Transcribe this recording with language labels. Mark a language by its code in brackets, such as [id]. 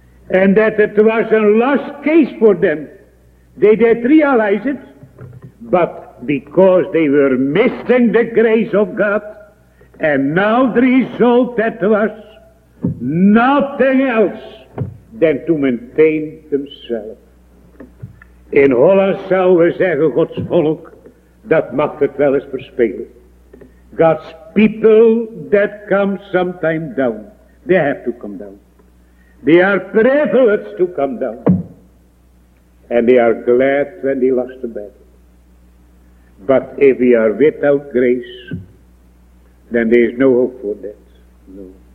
[en] And that it was a lost case for them. They did realize it. But because they were missing the grace of God, and now the result that was nothing else than to maintain themselves. [nl] In Holland zou we zeggen, Gods volk, dat mag het wel eens verspelen. [en] God's people that come sometime down, they have to come down. They are privileged to come down. And they are glad when they lost the battle. But if we are without grace, then there is no hope for that. No.